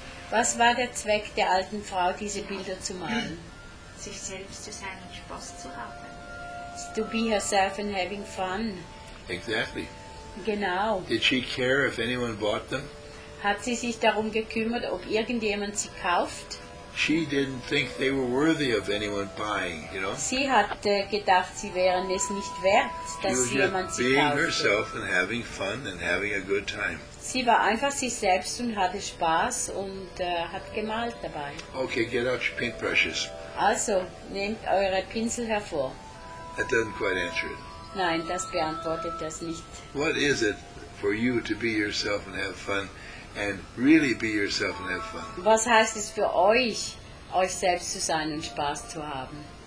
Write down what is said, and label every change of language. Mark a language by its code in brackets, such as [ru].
[de] Was war der Zweck der alten Frau, diese Bilder zu malen? Sich selbst zu sein und Spaß zu haben. [en] To be herself and having fun. Exactly. [de] Genau. [en] Did she care if anyone bought them? [de] Hat sie sich darum gekümmert, ob irgendjemand sie kauft? [en] She didn't think they were worthy of anyone buying, you know? [de] Sie hat gedacht, sie wären es nicht wert, dass [en] she was [de] jemand sie [en] being [de] kaufte. [en] Being herself and having fun and having a good time. [de] Sie war einfach sich selbst und hatte Spaß und hat gemalt dabei. [en] Okay, get out your paintbrushes. [de] Also, nehmt eure Pinsel hervor. [en] That doesn't quite answer it. [de] Nein, das beantwortet das nicht. [en] What is it for you to be yourself and have fun and really be yourself and have fun? [de] Was heißt es für euch selbst zu sein und Spaß zu haben?